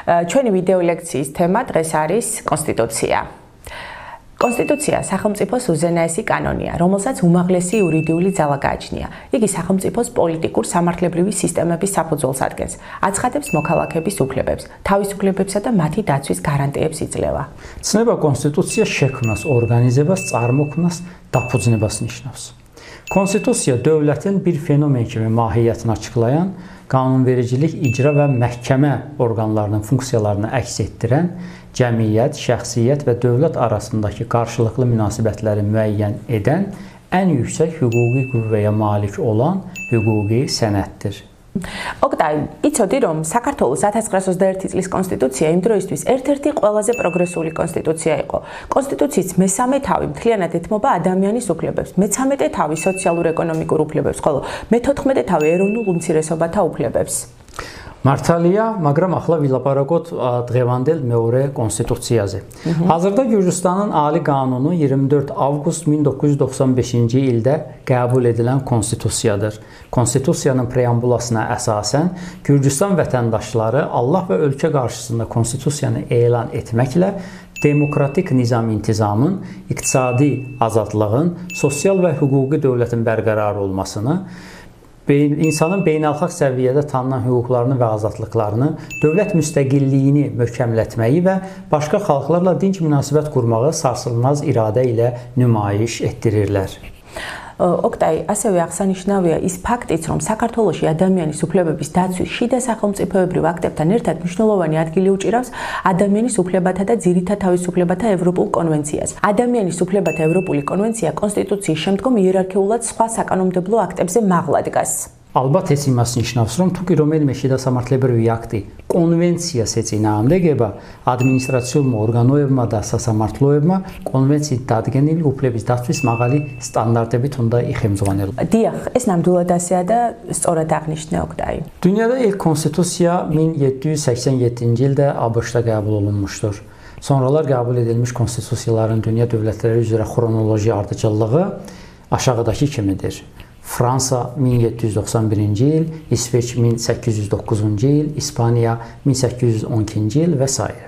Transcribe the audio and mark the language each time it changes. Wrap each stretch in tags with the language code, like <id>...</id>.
<ka>ჩვენი ვიდეო ლექციის თემა დღეს არის კონსტიტუცია. კონსტიტუცია სახელმწიფოს უზენაესი კანონია, რომელსაც უმაღლესი იურიდიული ძალა გააჩნია. იგი სახელმწიფოს პოლიტიკურ სამართლებრივი სისტემების საფუძველს ადგენს, აცხადებს მოქალაქეების უფლებებს, თავისუფლებებსა და მათი დაცვის გარანტიებს იძლევა. ცნება კონსტიტუცია შექმნას, ორგანიზებას, წარმოქმნას, დაფუძნებას ნიშნავს.</ka> <az>Konstitusiya dövlətin bir fenomen kimi mahiyyətini açıqlayan, qanunvericilik, icra və məhkəmə orqanlarının funksiyalarını əks etdirən, cəmiyyət, şəxsiyyət və dövlət arasındakı qarşılıqlı münasibətləri müəyyən edən, ən yüksək hüquqi qüvvəyə malik olan hüquqi sənəddir.</az> <ka>Oqtay, იცოდი რომ საქართველოს 1921 წლის კონსტიტუცია იმ დროისთვის ერთ-ერთი ყველაზე პროგრესული კონსტიტუცია იყო. კონსტიტუციის მესამე თავი მთლიანად ეთმობა ადამიანის უფლებებს, მე-13 თავი სოციალურ-ეკონომიკურ უფლებებს, ხოლო მე-14 თავი ეროვნულ უმცირესობათა უფლებებს. Martalia, მაგრამ ახლა ვილაპარაკოთ დღევანდელ მეორე კონსტიტუციაზე.</ka> <az>Hazırda Gürcistan'ın Ali Kanunu 24 Ağustos 1995-ci ildə qəbul edilən konstitusiyadır. Konstitusiyanın preambulasına əsasən Gürcistan vətəndaşları Allah və ölkə qarşısında konstitusiyanı elan etməklə demokratik nizam-intizamın, iqtisadi azadlığın, sosial və hüquqi dövlətin bərqərar olmasını, insanın beynəlxalq səviyyədə tanınan hüquqlarını və azadlıqlarını, dövlət müstəqilliyini möhkəmlətməyi və başqa xalqlarla dinc münasibət qurmağı sarsılmaz iradə ilə nümayiş etdirirlər.</az> <ka>Oqtay, ასევე აღსანიშნავია ის ფაქტიც, რომ საქართველოში ადამიანის უფლებების დაცვის შიდა სახელმწიფოებრივ აქტებთან ერთად მნიშვნელოვანი ადგილი უჭირავს ადამიანის უფლებათა და ძირითა თავისუფლებათა ევროპულ კონვენციას. ადამიანის უფლებათა ევროპული კონვენცია კონსტიტუციის შემდგომ იერარქიულად სხვა საკანონმდებლო აქტებზე მაღლა დგას. Ალბათ ეს იმას ნიშნავს, რომ თუკი რომელიმე შიდა სამართლებრივი აქტი კონვენცია ეწინააღმდეგება, ადმინისტრაციულმა ორგანოებმა და სასამართლოებმა კონვენციით დადგენილი უფლების დაცვის მაღალი სტანდარტებით უნდა იხემძღვანელონ. დიახ, ეს ნამდვილად ასეა და სწორად აღნიშნე ოქტაი.</ka> <az>Dünyada ilk konstitusiya 1787-ci ildə ABŞ-da qəbul olunmuşdur. Sonralar qəbul edilmiş konstitusiyaların dünya dövlətləri üzrə xronoloji ardıcıllığı aşağıdakı kimidir. Fransa 1791-ci il, İsveç 1809-cu il, İspaniya 1812-ci il və s.</az>